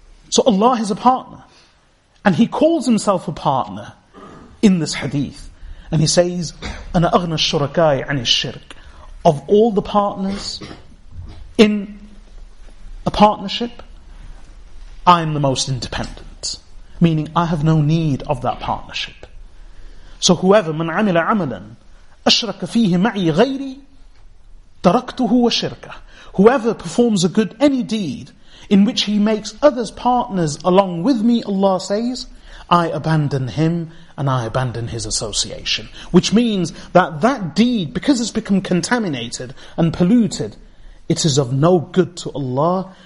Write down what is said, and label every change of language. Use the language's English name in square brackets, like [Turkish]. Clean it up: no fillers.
[English] So Allah is a partner. And he calls himself a partner in this hadith. And he says, [Arabic] "Ana aghna shurakai ani shirk." [English] Of all the partners in a partnership, I am the most independent. Meaning, I have no need of that partnership. So whoever, [Arabic] من عمل عملا أشرك فيه معي غيري تركته وشركة. [English] Whoever performs a good, any deed, in which he makes others partners along with me, Allah says, I abandon him and I abandon his association. Which means that that deed, because it's become contaminated and polluted, it is of no good to Allah.